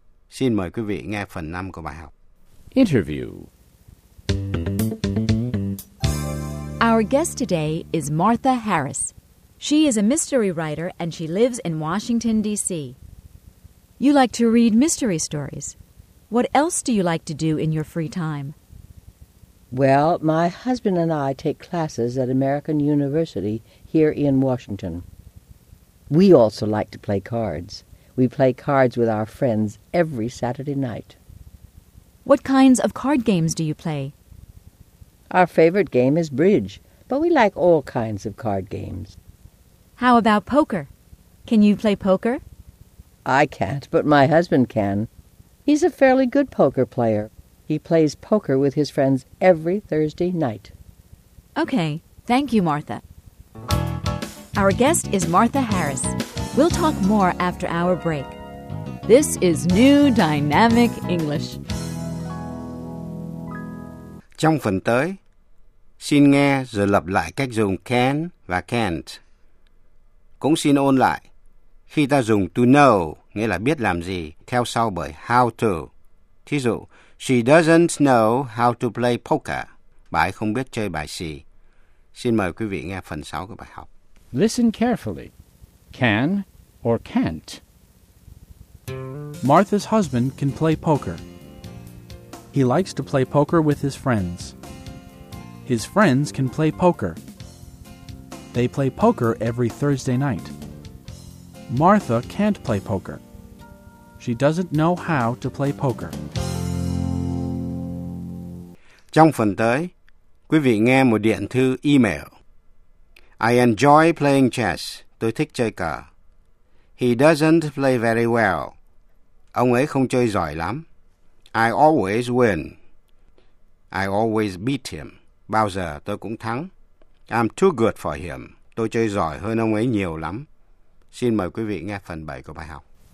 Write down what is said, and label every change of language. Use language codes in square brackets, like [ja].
[vi] Xin mời quý vị nghe phần 5 của bài học. [en] Interview. Our guest today is Martha Harris. She is a mystery writer, and she lives in Washington, D.C. You like to read mystery stories. What else do you like to do in your free time? Well, my husband and I take classes at American University here in Washington. We also like to play cards. We play cards with our friends every Saturday night. What kinds of card games do you play? Our favorite game is bridge, but we like all kinds of card games. How about poker? Can you play poker? I can't, but my husband can. He's a fairly good poker player. He plays poker with his friends every Thursday night. Okay. Thank you, Martha. Our guest is Martha Harris. We'll talk more after our break. This is New Dynamic English. [vi] Trong phần tới, Xin nghe rồi lặp lại cách dùng can và can't. Cũng xin ôn lại. Khi ta dùng to know, nghĩa là biết làm gì, theo sau bởi how to. Thí dụ, [en] she doesn't know how to play poker. [vi] Bà ấy không biết chơi bài xì. Xin mời quý vị nghe phần 6 của bài học. [en] Listen carefully. Can or can't? Martha's husband can play poker. He likes to play poker with his friends. His friends can play poker. They play poker every Thursday night. Martha can't play poker. She doesn't know how to play poker. [vi] Trong phần tới, quý vị nghe một điện thư email. [en] I enjoy playing chess. [vi] Tôi thích chơi cờ. [en] He doesn't play very well. [vi] Ông ấy không chơi giỏi lắm. [en] I always win. I always beat him. [vi] Bao giờ tôi cũng thắng. [en] I'm too good for him. [vi] Tôi chơi giỏi hơn ông ấy nhiều lắm. Xin mời quý vị nghe phần 7 của bài học.